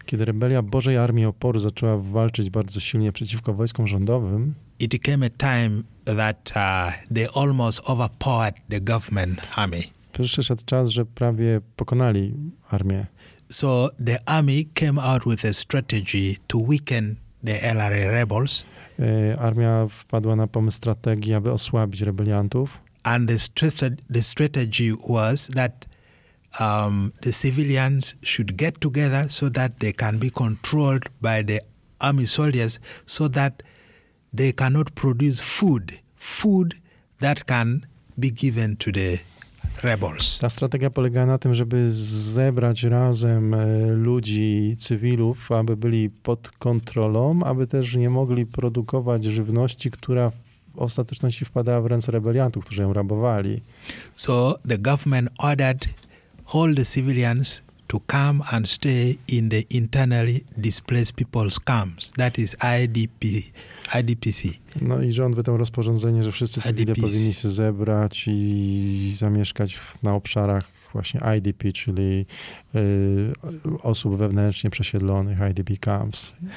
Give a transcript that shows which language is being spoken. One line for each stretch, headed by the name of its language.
Polish: Kiedy rebelia Bożej Armii Oporu zaczęła walczyć bardzo silnie przeciwko wojskom rządowym,
English: it came a time that they almost overpowered the government army.
Polish: Przyszedł czas, że prawie pokonali armię.
English: So the army came out with a strategy to weaken the LRA rebels.
Polish: Armia wpadła na pomysł strategii, aby osłabić rebeliantów.
English: And the strategy was that the civilians should get together so that they can be controlled by the army soldiers, so that they cannot produce food that can be given to the rebels.
Polish: Ta strategia polega na tym, żeby zebrać razem ludzi, cywilów, aby byli pod kontrolą, aby też nie mogli produkować żywności, która w ostateczności wpadała w ręce rebeliantów, którzy ją rabowali.
English: So the government ordered all the civilians to come and stay in the internally displaced people's camps. That is IDPC.
Polish: No i rząd wydał rozporządzenie, że wszyscy cywile powinni się zebrać i zamieszkać na obszarach właśnie IDP, czyli osób wewnętrznie przesiedlonych, IDP camps.